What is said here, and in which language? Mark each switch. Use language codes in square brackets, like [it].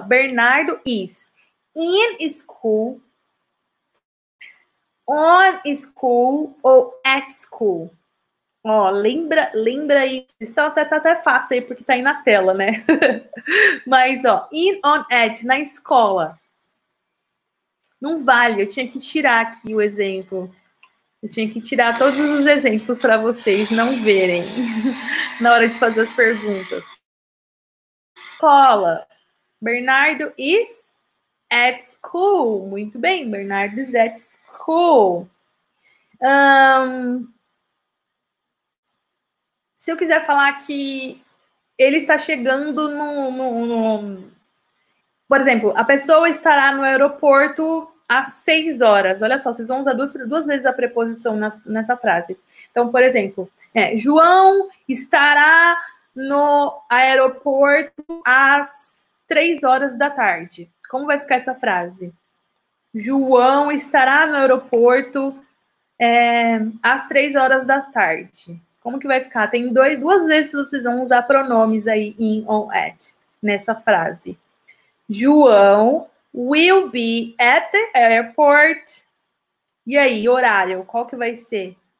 [en] Bernardo is in school, on school ou at school. [pt] Ó, lembra aí, tá até fácil aí, porque tá aí na tela, né? Mas, ó, in, on, at, na escola. Não vale, eu tinha que tirar aqui o exemplo. Eu tinha que tirar todos os exemplos para vocês não verem na hora de fazer as perguntas. [en] Escola. Bernardo is at school. Muito bem, Bernardo is at school. [pt] Se eu quiser falar que ele está chegando no... Por exemplo, a pessoa estará no aeroporto às 6 horas. Olha só, vocês vão usar duas vezes a preposição nessa frase. Então, por exemplo, João estará no aeroporto às 3 horas da tarde. Como vai ficar essa frase? João estará no aeroporto às 3 horas da tarde. Como que vai ficar? Tem duas vezes que vocês vão usar pronomes aí em on at nessa frase. [en] João will be at the airport. [pt] E aí, horário, qual que vai ser?